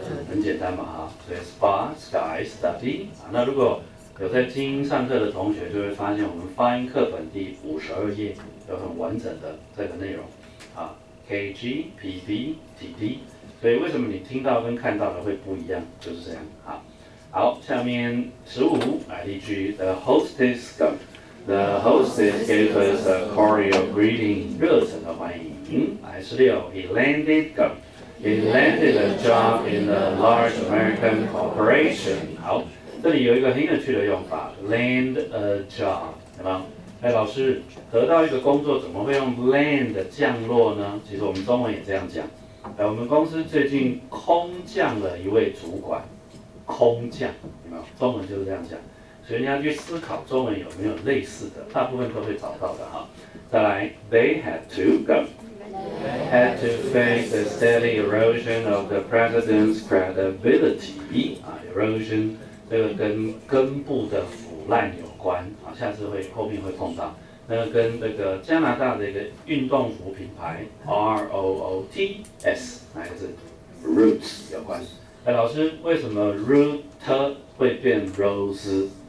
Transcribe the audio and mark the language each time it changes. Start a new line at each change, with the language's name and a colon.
Chinese: 很简单嘛，所以 spa sky study。那如果有在听上课的同学，就会发现我们发音课本第52页。有很完整的这个内容啊 ，KG、PB、TD， 所以为什么你听到跟看到的会不一样？就是这样。
English: 好，下面15来例句 ，The hostess gave us a cordial greeting，
Chinese: 热诚的欢迎。
English: 来16 He landed a job in a large American corporation。
Chinese: 好，这里有一个很有趣的用法 ，land a job， 有没有？哎，老师，得到一个工作怎么会用 land 降落呢？其实我们中文也这样讲。哎，我们公司最近空降了一位主管，空降，有没有？中文就是这样讲。所以你要去思考中文有没有类似的，大部分都会找到的哈。再来
English: ，they had to go， had to face the steady erosion of the president's credibility。
Chinese: 啊 ，erosion 这个跟根部的腐烂有。关啊，下次会后面会碰到。那跟那个加拿大的一个运动服品牌 ROOTS 哪个字 ？Roots 有关。哎，老师，为什么 root 会变 rose？